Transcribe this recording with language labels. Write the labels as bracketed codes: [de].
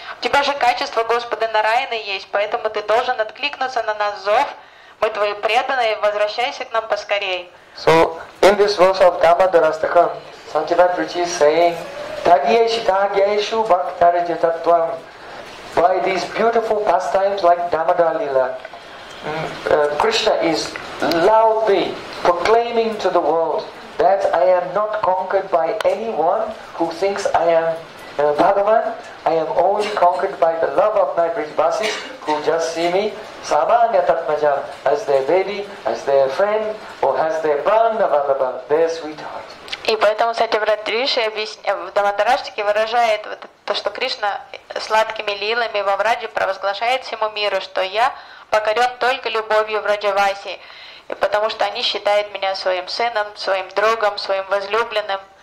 [ru] У тебя же качество Господа Нараяна есть, поэтому ты должен откликнуться на наш зов. Мы твои преданные, возвращайся к нам поскорей. [en] So, in this verse of Dhammadarastaka, Santivatrichi is saying, Tadyeshitagyeshu Bhaktarajatattvam, by these beautiful pastimes like Dhammadalila, Krishna is loudly proclaiming to the world that I am not conquered by anyone who thinks I am Bhagavan. I am only conquered by the love of my Brijbasis who just see me Samanya Tatmaja as their baby, as their friend, or as their Bandhavallabha, their sweetheart. [ru] И поэтому, кстати, Вратриши в Дамадараштике выражает вот то, что Кришна сладкими лилами во Враджи провозглашает всему миру, что я покорен только любовью Враджаваси, и потому что они считают меня своим сыном, своим другом, своим возлюбленным.